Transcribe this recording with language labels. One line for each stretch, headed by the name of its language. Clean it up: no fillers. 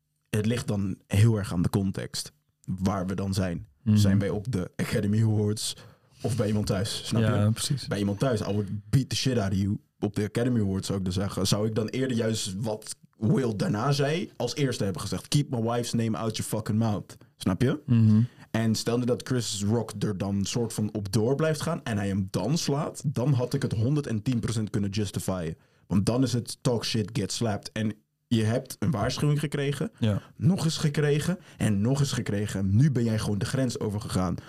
Dutch: Het ligt dan heel erg aan de context waar we dan zijn. Mm. Zijn wij op de Academy Awards of bij iemand thuis, snap ja, je? Ja, precies. Bij iemand thuis,
English: I would beat the shit out of you
Dutch: op de Academy Awards, zou ik dan zeggen. Zou ik dan eerder juist wat Will daarna zei als eerste hebben gezegd.
English: Keep my wife's name out your fucking mouth,
Dutch: snap je?
English: Mm-hmm.
Dutch: En stel nu dat Chris Rock er dan soort van op door blijft gaan en hij hem dan slaat, dan had ik het 110% kunnen justifyen. Want dan is het
English: talk shit, get slapped.
Dutch: En je hebt een waarschuwing gekregen, ja. Nog eens gekregen en nog eens gekregen. Nu ben jij gewoon de grens overgegaan.